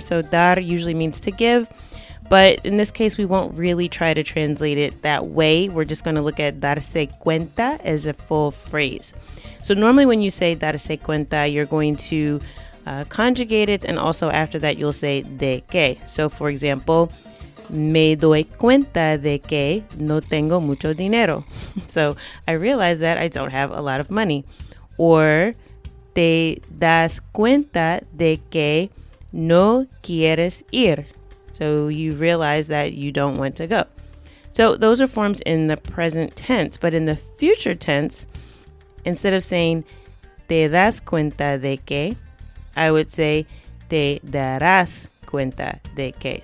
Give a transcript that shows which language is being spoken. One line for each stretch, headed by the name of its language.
English: So dar usually means to give. But in this case, we won't really try to translate it that way. We're just going to look at
Spanish: darse cuenta
English: as a full phrase. So normally when you say
Spanish: darse cuenta,
English: you're going to conjugate it. And also after that, you'll say
Spanish: de que.
English: So for example,
Spanish: me doy cuenta de que no tengo mucho dinero.
English: So I realize that I don't have a lot of money. Or
Spanish: te das cuenta de que no quieres ir.
English: So you realize that you don't want to go. So those are forms in the present tense. But in the future tense, instead of saying
Spanish: te das cuenta de que,
English: I would say
Spanish: te darás cuenta de que.